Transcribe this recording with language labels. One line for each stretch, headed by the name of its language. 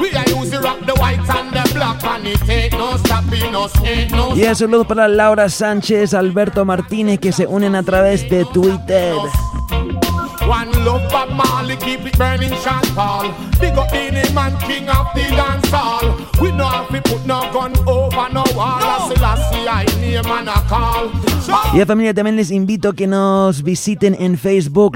English: We are using rock the white and the black, and it ain't no stopping us, ain't no stopping.
Spanish: Y un saludo para Laura Sánchez, Alberto Martínez, que se unen a través de Twitter.
English: One love Bob Marley, keep it burning Sean Paul. Big up in him and king of the dance hall. We know how we put no gun over no wall. No. Selassie, I name and I call.
Spanish: Y a familia, también les invito a que nos visiten en Facebook.